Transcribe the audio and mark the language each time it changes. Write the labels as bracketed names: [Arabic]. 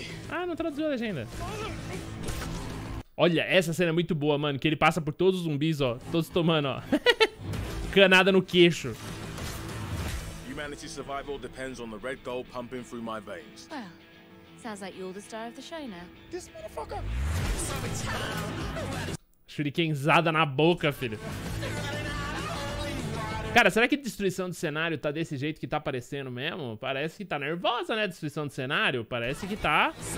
[Portuguese] Ah, não traduziu a legenda. Olha, essa cena é muito boa, mano. Que ele passa por todos os zumbis, ó. Todos tomando, ó. Canada no queixo. [English] Humanity's survival depends on the red gold pumping through my veins. Well, sounds like you're the star of the show now. This motherfucker. [Portuguese] Shurikenzada na boca, filho. Cara, será que a destruição do cenário tá desse jeito que tá aparecendo mesmo? Parece que tá nervosa, né, a destruição do cenário? Parece que tá.